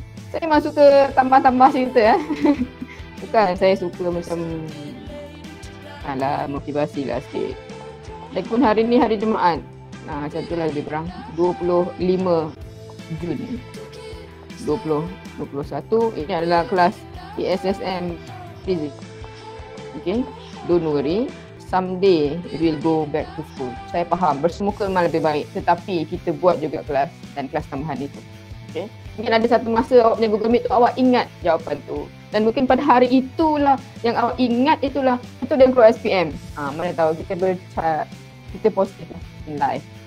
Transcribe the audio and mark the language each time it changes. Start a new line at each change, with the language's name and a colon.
Malay: Saya memang suka tambah-tambah cerita. Bukan, saya suka macam alah, motivasi lah sikit. Lagipun hari ini hari Jumaat. Nah, macam itulah lebih kurang. 25 Jun 2021. Ini adalah kelas ESSM Fizik.
English: Okay, don't worry. Someday we'll go back to school.
Malay: Saya faham, bersemuka memang lebih baik. Tetapi kita buat juga kelas dan kelas tambahan itu. Okay. Mungkin ada satu masa awak punya Google Meet tu, awak ingat jawapan tu. Dan mungkin pada hari itulah yang awak ingat itulah. Itu dia keluar SPM. Ha, mana tahu kita bercat, kita positif
English: in life.